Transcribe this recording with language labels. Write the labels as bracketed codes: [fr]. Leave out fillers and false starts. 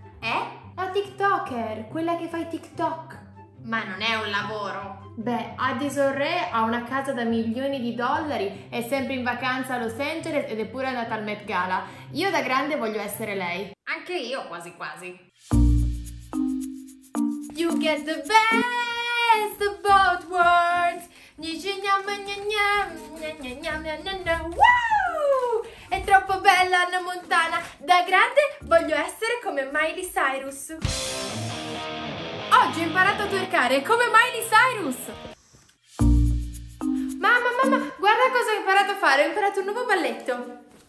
[it] Eh? La TikToker, quella che fa i TikTok. Ma non è un lavoro. Beh, Addison Rae ha una casa da milioni di dollari, è sempre in vacanza a Los Angeles ed è pure andata al Met Gala. Io da grande voglio essere lei. Anche io, quasi quasi. [en] You get the best of both worlds. Woo! [it] È troppo bella Anna Montana. Da grande voglio essere come Miley Cyrus. Oggi ho imparato a twerkare come Miley Cyrus. Mamma, mamma, guarda cosa ho imparato a fare. Ho imparato un nuovo balletto.